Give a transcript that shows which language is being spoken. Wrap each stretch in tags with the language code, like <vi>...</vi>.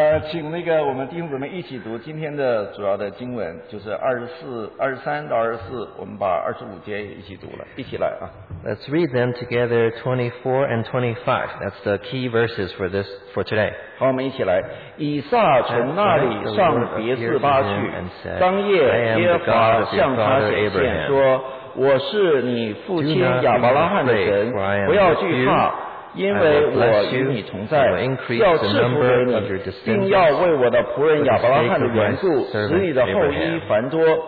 <zh>请那个我们弟兄姊妹一起读今天的主要的经文，就是二十三到二十四，我们把二十五节也一起读了，一起来啊。</zh> <en>Let's read them together, 24 and 25. That's the key verses for this for today.</en> <zh>好，我们一起来。以撒从那里上别示巴去，当夜耶和华向他显现说：“我是你父亲亚伯拉罕的神，不要惧怕。” 因为我与你同在，要赐福给你，并要为我的仆人亚伯拉罕的缘故使你的后裔繁多。</zh>